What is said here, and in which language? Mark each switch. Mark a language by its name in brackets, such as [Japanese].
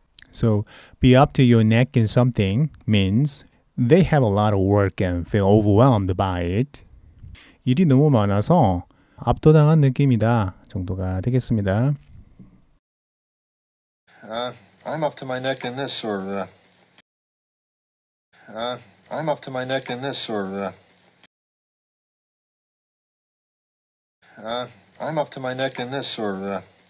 [English] So, be up to your neck in something means they have a lot of work and feel overwhelmed by it. [Korean] 일이 너무 많아서 압도당한 느낌이다 정도가 되겠습니다. [English] I'm up to my neck in this or... I'm up to my neck in this or I'm up to my neck in this or